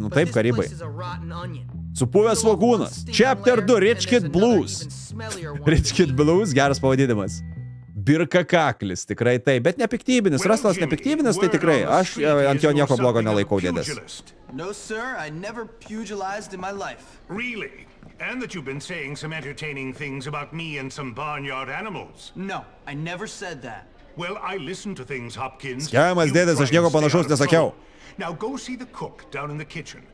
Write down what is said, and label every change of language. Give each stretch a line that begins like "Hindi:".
Lithuanian: Nu taip, karibai. Supuvęs vagūnas. Chapter 2, Rich Kid Blues. Rich Kid Blues, geras pavadinimas. Birka kaklis, tikrai tai, bet nepiktybinis. Rastas nepiktybinis, tai tikrai. Aš ant jo nieko blogo nelaikau, dėdės.
English: No, sir, I never pugilized in my life. Really? And that you've been saying some entertaining things about me and some barnyard animals. No, I never said that. Well, I listened to things, Hopkins.
Lithuanian: Skiriamas dėdės, aš nieko panašaus nesakiau.
English: Now go see the cook down in the kitchen.